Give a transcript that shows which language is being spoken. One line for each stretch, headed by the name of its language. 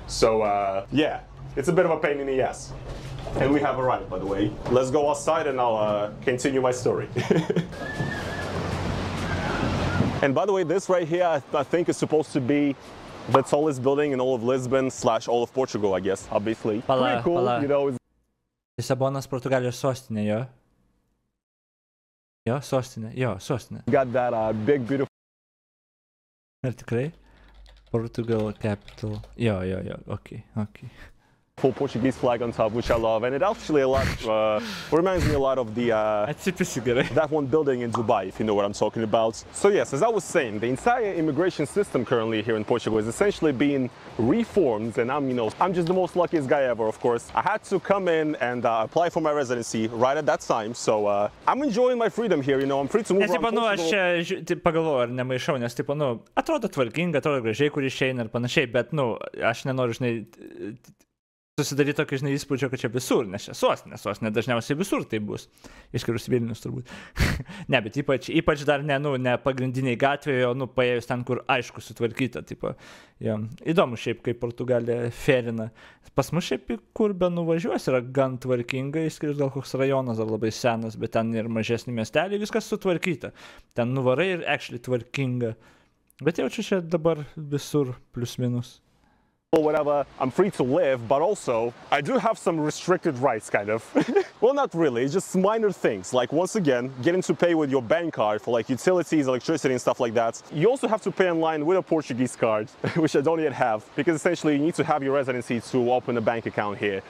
English: So, yeah, it's a bit of a pain in the ass. And we have a ride, by the way. Let's go outside and I'll continue my story. And by the way, this right here, I think is supposed to be the tallest building in all of Lisbon slash all of Portugal, I guess, obviously.
Lithuanian: Pala,
English: pretty cool, pala. You know.
Lithuanian: Lisabonas, Portugalijos sostinė, jo? Jo, sostinė, jo, sostinė.
English: Got that big, beautiful.
Lithuanian: Ar tikrai?
English: Portugal capital.
Lithuanian: Jo, jo, jo, okay.
English: Full Portuguese flag on top, which I love, and it actually a lot reminds me a lot of the that one building in Dubai, if you know what I'm talking about. So yes, as I was saying, the entire immigration system currently here in Portugal is essentially being reformed, and I'm, you know, I'm just the most luckiest guy ever. Of course, I had to come in and apply for my residency right at that time, so I'm enjoying my freedom here. You know, I'm free to move around.
Lithuanian: Atrodo tvarkinga, atrodo gražiai, kur išeina ir panašiai, bet nu, aš nenoriu, žinai, susidaryti tokį, žinai, įspūdžio, kad čia visur, nes čia sostinė, sostinė, dažniausiai visur tai bus, išskyrus Vilnius turbūt. Ne, bet ypač dar ne, nu, ne pagrindiniai gatvėje, o nu, paėjus ten, kur aišku sutvarkyta, tipo, jo. Įdomu šiaip, kaip Portugalija ferina. Pas mus šiaip, kur be nuvažiuos, yra gan tvarkinga, išskyrus gal koks rajonas ar labai senas, bet ten ir mažesni miesteliai, viskas sutvarkyta. Ten nuvarai ir actually tvarkinga. Bet jaučiu čia dabar visur plus minus.
English: Or whatever, I'm free to live, but also I do have some restricted rights, kind of. Well, not really, it's just minor things, like once again getting to pay with your bank card for like utilities, electricity and stuff like that. You also have to pay online with a Portuguese card, which I don't yet have, because essentially you need to have your residency to open a bank account here.